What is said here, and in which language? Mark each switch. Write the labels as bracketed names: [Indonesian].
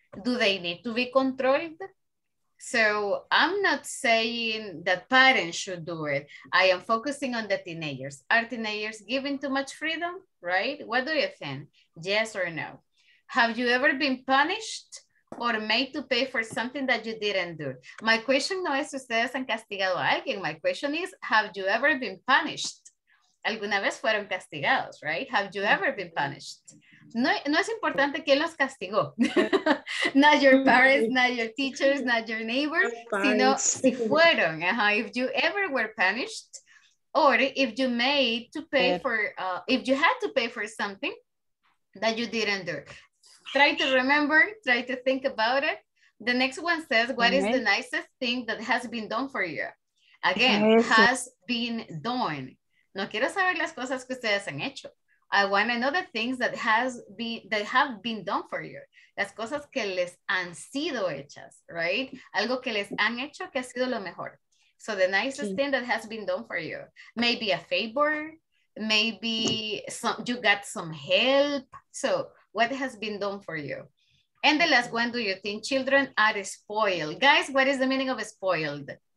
[English] Do they need to be controlled? So I'm not saying that parents should do it. I am focusing on the teenagers. Are teenagers given too much freedom, right? What do you think? Yes or no? Have you ever been punished or made to pay for something that you didn't do? My question [Spanish] no es ustedes han castigado a alguien. [English] My question is, have you ever been punished? [Spanish] Alguna vez fueron castigados, [English] right? Have you ever been punished? [Spanish] No es importante quién los castigó. [English] Not your parents, not your teachers, not your neighbor, [Spanish] sino si fueron. Uh-huh. [English] If you ever were punished, or if you made to pay for, if you had to pay for something that you didn't do. Try to remember, try to think about it. The next one says, what is the nicest thing that has been done for you? Again, has been done. [Spanish] No quiero saber las cosas que ustedes han hecho. [English] I want to know the things that have been done for you. [Spanish] Las cosas que les han sido hechas, right? Algo que les han hecho que ha sido lo mejor. [English] So the nicest thing that has been done for you. Maybe a favor, maybe some, you got some help. So what has been done for you? And the last one, do you think children are spoiled? Guys, what is the meaning of spoiled?